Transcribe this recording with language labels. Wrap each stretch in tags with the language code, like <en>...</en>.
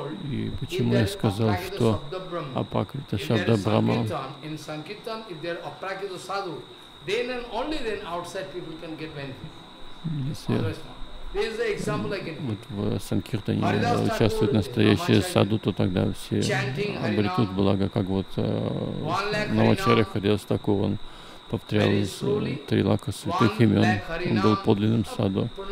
<ru>И почему я сказал, что апракрита шабда брама?</ru> <en>In sankirtan, if there are apracita sadhu, then and only then outside people can get benefit.</en> <ru>Вот в санкиртане участвуют настоящие саду, то тогда все обретут благо, как вот Намачарья Харидастакура повторял из три лака святых имен, он был подлинным саду.</ru>